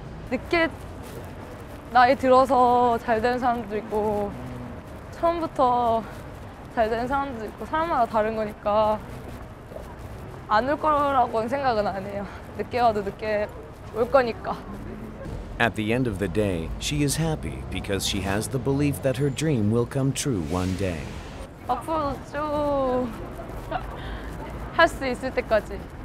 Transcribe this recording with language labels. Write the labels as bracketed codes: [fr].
[ko] 늦게 나이 들어서 잘 되는 사람도 있고 처음부터 잘 되는 사람도 있고 사람마다 다른 거니까 안 올 거라고는 생각은 안 해요. 늦게 와도 늦게 올 거니까. [en] At the end of the day, she is happy because she has the belief that her dream will come true one day. [ko] 앞으로 쭉 할 수 있을 때까지.